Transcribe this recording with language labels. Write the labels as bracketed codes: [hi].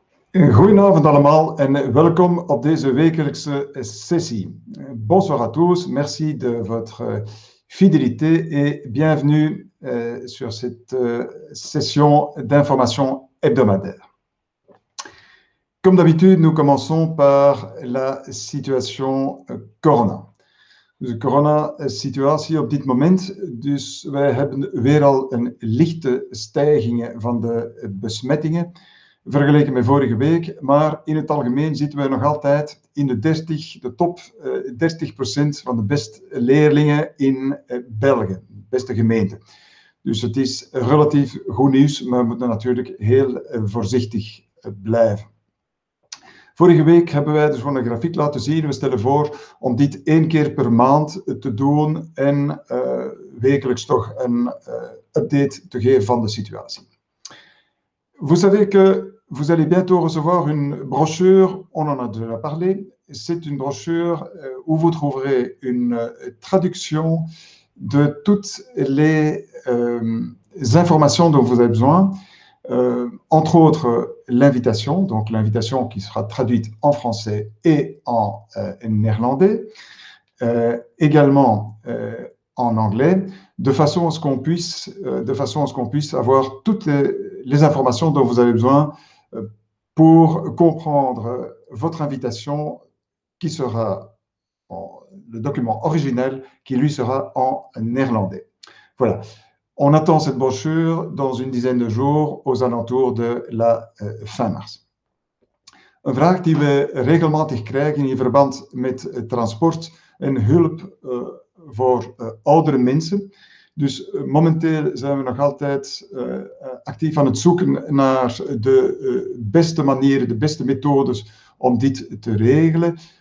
[nl] Goedenavond allemaal en welkom op deze wekelijkse sessie. [fr] Bonsoir à tous, merci de votre fidélité et bienvenue sur cette session d'information hebdomadaire. Comme d'habitude, nous commençons par la situation Corona. [nl] De corona-situatie op dit moment. Dus wij hebben weer al een lichte stijging van de besmettingen vergeleken met vorige week. Maar in het algemeen zitten we nog altijd in de top 30% van de beste leerlingen in België, beste gemeente. Dus het is relatief goed nieuws, maar we moeten natuurlijk heel voorzichtig blijven. Vorige week hebben wij dus een grafiek laten zien. We stellen voor om dit één keer per maand te doen en wekelijks toch een update te geven van de situatie. [fr] Vous savez que vous allez bientôt recevoir une brochure, on en a déjà parlé. C'est une brochure où vous trouverez une traduction de toutes les informations dont vous avez besoin. Entre autres, l'invitation, donc l'invitation qui sera traduite en français et en néerlandais, également en anglais, de façon à ce qu'on puisse avoir toutes les informations dont vous avez besoin pour comprendre votre invitation, qui sera le document original, qui lui sera en néerlandais. Voilà. On attend cette brochure dans une dizaine de jours, aux alentours de la fin mars. [nl] Een vraag die we regelmatig krijgen in verband met transport en hulp voor oudere mensen. Dus momenteel zijn we nog altijd actief aan het zoeken naar de beste manieren, de beste methodes om dit te regelen.